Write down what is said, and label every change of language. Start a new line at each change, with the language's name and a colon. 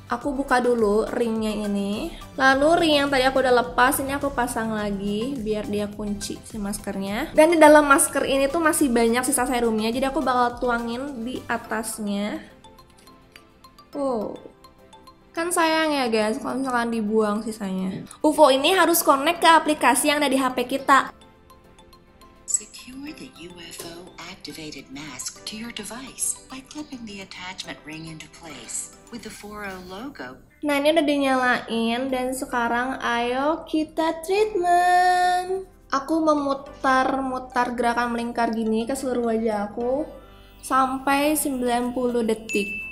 Indonesian: Aku buka dulu ringnya ini. Lalu ring yang tadi aku udah lepas, ini aku pasang lagi biar dia kunci si maskernya. Dan di dalam masker ini tuh masih banyak sisa serumnya, jadi aku bakal tuangin di atasnya. Oh, kan sayang ya guys, kalau misalkan dibuang sisanya. UFO ini harus connect ke aplikasi yang ada di HP kita.
English: Secure the UFO activated mask to your device by clipping the attachment ring into place with the 4-0 logo.
Indonesian: Nah, ini udah dinyalain dan sekarang ayo kita treatment. Aku memutar-mutar gerakan melingkar gini ke seluruh wajah aku sampai 90 detik.